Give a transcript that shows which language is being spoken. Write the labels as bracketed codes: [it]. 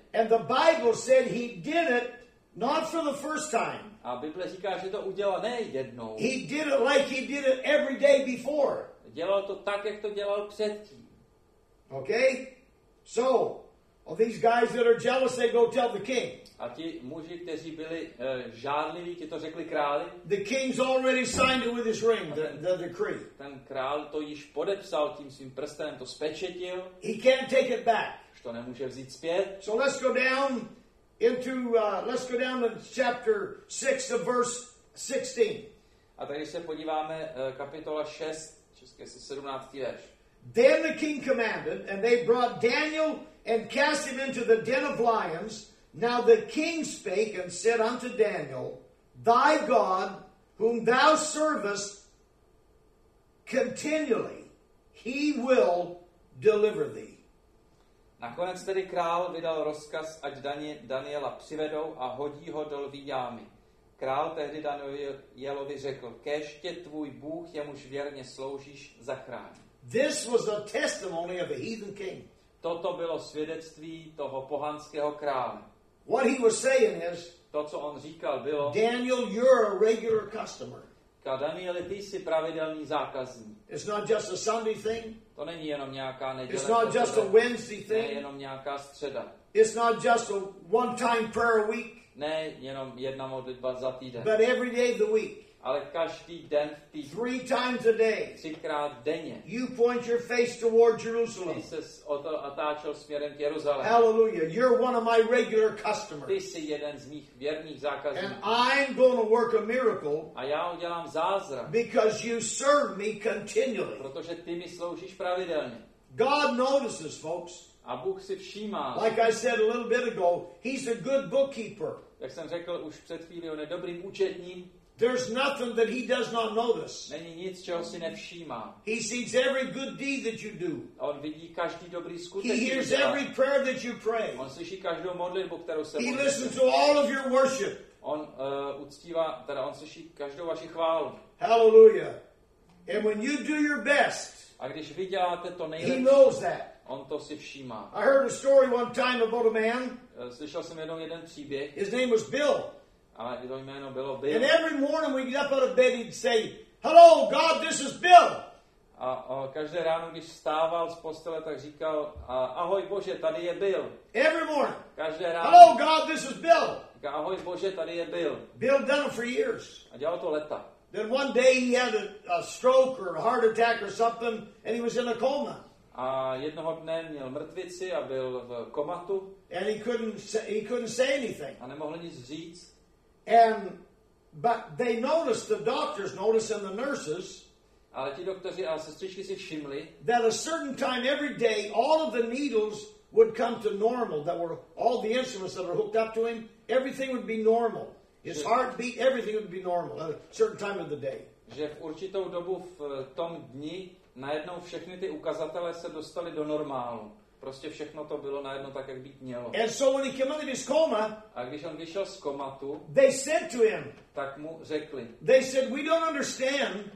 [en] And the Bible said he did it not for the first time. [cs] A Bible říká, že to udělal ne jednou. [en] He did it like he did it every day before. [cs] Dělal to tak, jak to dělal předtím. [en] Okay? So, all these guys that are jealous, they go tell the king. [cs] A ti muži, kteří byli žádliví, ti to řekli králi. [en] The king's already signed it with his ring, the decree. [cs] Ten král to již podepsal tím svým prstem, to spečetil. [en] He can't take it back. [cs] Že to nemůže vzít zpět. [en] So let's go down into let's go down to chapter 6 of verse 16. [cs] A tady se podíváme kapitola 6, české 17. verš. [en] Then the king commanded and they brought Daniel and cast him into the den of lions. Now the king spake and said unto Daniel, thy God, whom thou servest continually, he will deliver thee. [cs] Nakonec tedy král vydal rozkaz, ať Daniela přivedou a hodí ho do lví jámy. Král tehdy Danielovi řekl, kéž tě tvůj Bůh, jemuž věrně sloužíš, zachrání. [en] This was a testimony of a heathen king. [cs] Toto bylo svědectví toho pohanského krále. [en] What he was saying is, [cs] to, co on říkal, bylo, [en] Daniel, you're a regular customer. [cs] Danieli, ty jsi pravidelný zákazník. [en] It's not just a Sunday thing. [cs] To není jenom nějaká neděle. [en] It's not just a Wednesday thing. [cs] Ne, jenom nějaká středa. [en] It's not just a one-time prayer a week. [cs] Ne, jenom jedna modlitba za týden. [en] But every day of the week. [cs] Ale každý den v týdnu. [en] Three times a day. [cs] Třikrát denně. [en] You point your face toward Jerusalem. [cs] Ty jsi se otáčel směrem k Jeruzalému. [en] Hallelujah. [cs] You're one of my regular customers. [en] Ty jsi jeden z mých věrných zákazníků. [cs] And I'm going to work a miracle. [en] A já udělám zázrak. [cs] Because you serve me continually. [en] Protože ty mi sloužíš pravidelně. [cs] God notices, folks. [en] A Bůh si všímá. [cs] Like I said a little bit ago, he's a good bookkeeper. [en] Jak jsem řekl už před chvíli, on je dobrým účetním. [cs] There's nothing that he does not notice. [en] Není nic, čeho si nevšímá. [cs] He sees every good deed that you do. [en] On vidí každý dobrý skutek, který [cs] děláš. [en] He hears every prayer that you pray. [cs] On slyší každou modlitbu, kterou se modlíte. [en] He listens to all of your worship. [cs] On uctívá, teda on slyší každou vaši chválu. [en] Hallelujah. And when you do your best, [cs] a když vy děláte to nejlepší, [en] he knows that. [cs] On to si všímá. [en] I heard a story one time about a man. [cs] Slyšel jsem jednou jeden příběh. [en] His name was Bill. [cs] Ale jeho jméno bylo Bill. [en] And every morning we get up out of bed and say, "Hello, God, this is Bill." [cs] A každé ráno, když vstával z postele, tak říkal, "Ahoj, Bože, tady je Bill." [en] Every morning. [cs] Každé ráno. [en] "Hello, God, this is Bill." [cs] Ahoj, Bože, tady je Bill. [en] Bill done it for years. [cs] A dělal to leta. [en] Then one day he had a stroke or a heart attack or something, and he was in a coma. [cs] A jednoho dne měl mrtvici a byl v komatu. [en] And he couldn't say anything. [cs] A nemohl nic říct. [en] And but they noticed, the doctors noticed, and the nurses. [cs] Ale ti doktoři a sestřičky si všimli. [en] That a certain time every day, all of the needles would come to normal. That were all the instruments that were hooked up to him. Everything would be normal. His heart beat, everything would be normal at a certain time of the day. [cs] Že v určitou dobu v tom dni najednou všechny ty ukazatele se dostaly do normálu. Prostě všechno to bylo najednou tak, jak být mělo. [en] And so when he came out of his coma, [cs] a když on vyšel z komatu, [en] they said to him, [cs] tak mu řekli, [en] they said, we don't understand,